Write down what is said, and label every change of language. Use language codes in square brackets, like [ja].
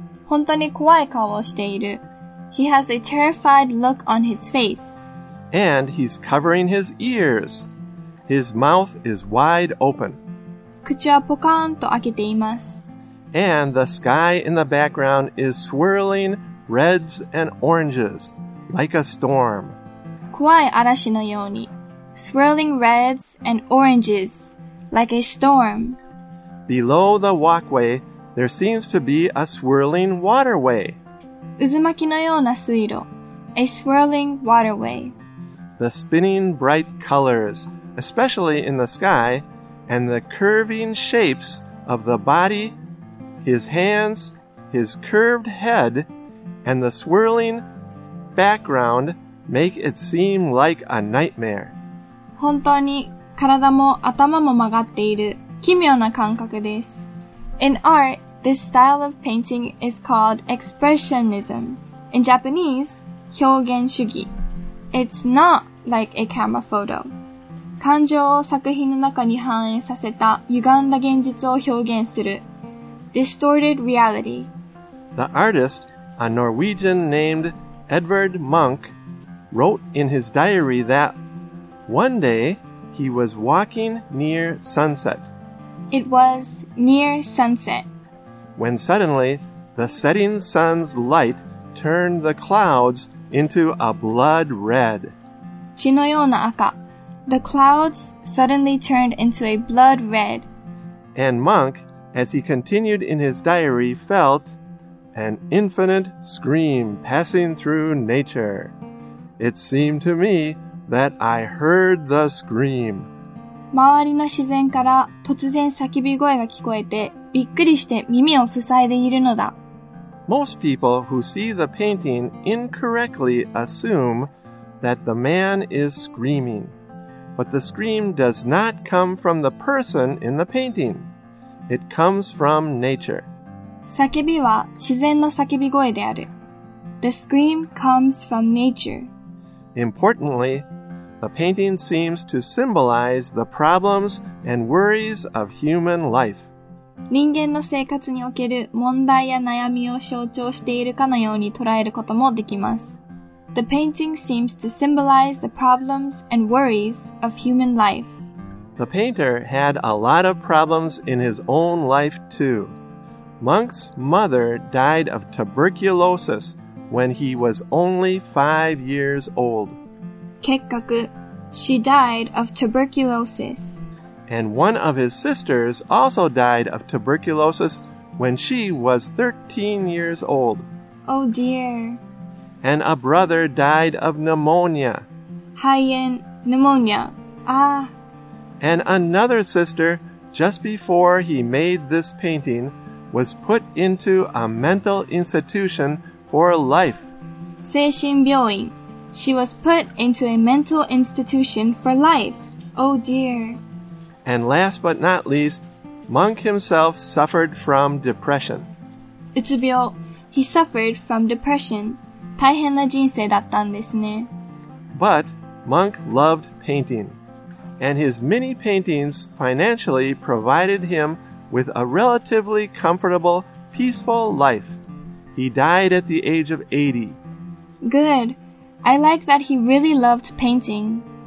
[ja] 本当に怖い顔をしている。 [en] He has a terrified look on his face. And he's covering his ears. His mouth is wide open. [ja] 口はポカンと開けています。 [en] And the sky in the background is swirling reds and oranges, like a storm. [ja] 怖い嵐のように。 [en] Swirling reds and oranges, like a storm. Below the walkway, there seems to be a swirling waterway. [ja] 渦巻きのような水路。 [en] A swirling waterway. The spinning bright colors, especially in the sky, and the curving shapes of the body, his hands, his curved head, and the swirling background make it seem like a nightmare. [ja] 本当に体も頭も曲がっている奇妙な感覚です。 [en] In art, this style of painting is called expressionism. In Japanese, 表現主義。It's not like a camera photo. [ja] 感情を作品の中に反映させた歪んだ現実を表現する。 [en] Distorted reality. The artist, a Norwegian named Edvard Munch, wrote in his diary that one day, he was walking near sunset. It was near sunset. When suddenly, the setting sun's light turned the clouds into a blood red. [ja] 血のような赤. [en] The clouds suddenly turned into a blood red. And Munch, as he continued in his diary, felt an infinite scream passing through nature. It seemed to me that I heard the scream. [ja] 周りの自然から突然叫び声が聞こえてびっくりして耳を塞いでいるのだ。 [en] Most people who see the painting incorrectly assume that the man is screaming. But the scream does not come from the person in the painting. It comes from nature. [ja] 叫びは自然の叫び声である。 [en] The scream comes from nature. Importantly,the painting seems to symbolize the problems and worries of human life. [ja] 人間の生活における問題や悩みを象徴しているかのように捉えることもできます。 [en] The painting seems to symbolize the problems and worries of human life. The painter had a lot of problems in his own life too. Munch's mother died of tuberculosis when he was only 5 years old. 結局, she died of tuberculosis. And one of his sisters also died of tuberculosis when she was 13 years old. Oh dear. And a brother died of pneumonia. 肺炎, pneumonia. Ah. And another sister, just before he made this painting, was put into a mental institution for life. 精神病院。She was put into a mental institution for life. Oh dear. And last but not least, Munch himself suffered from depression. うつ病.He suffered from depression. [ja] 大変な人生だったんですね. [en] But Munch loved painting. And his many paintings financially provided him with a relatively comfortable, peaceful life. He died at the age of 80. Good. I like that he really loved painting.